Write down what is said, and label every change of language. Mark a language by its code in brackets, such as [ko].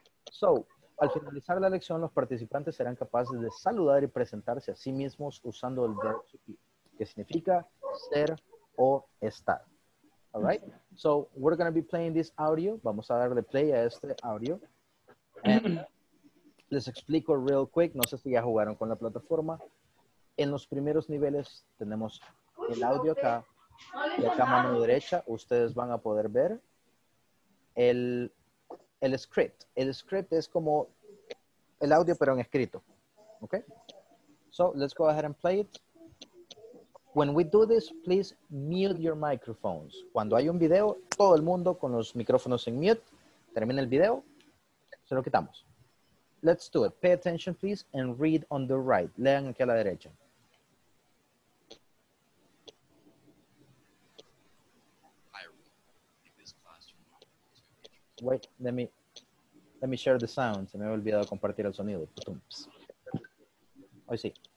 [es] So, al finalizar la lección, los participantes serán capaces de saludar y presentarse a sí mismos usando el verb to be, que significa ser o estar. [en] All right? So, we're going to be playing this audio. [es] Vamos a darle play a este audio. And les explico [en] real quick, [es] no sé si ya jugaron con la plataforma. En los primeros niveles tenemos el audio acá. Y acá a mano derecha, ustedes van a poder ver el script. El script es como el audio, pero en escrito. Okay? [en] So, let's go ahead and play it. When we do this, please mute your microphones. [es] Cuando hay un video, todo el mundo con los micrófonos en mute, termina el video, se lo quitamos. [en] Let's do it. Pay attention, please, and read on the right. [es] Lean aquí a la derecha. [en] Wait, let me share the sound. [es] Se me había olvidado compartir el sonido. [en] Oops. Oh, sí.